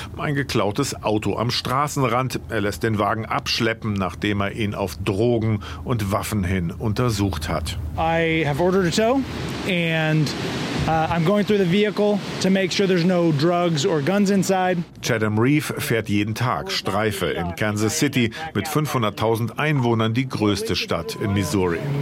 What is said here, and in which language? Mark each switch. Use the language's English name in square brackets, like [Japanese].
[German] Ein geklautes Auto am Straßenrand. Er lässt den Wagen abschleppen, nachdem er ihn auf Drogen und Waffen hin untersucht hat. [English] I have ordered a tow and I'm going through the vehicle to make sure there's no drugs or guns inside. [German] Chatham Reeve fährt jeden Tag Streife in Kansas City mit 500.000 Einwohnern, die größte Stadt in Missouri.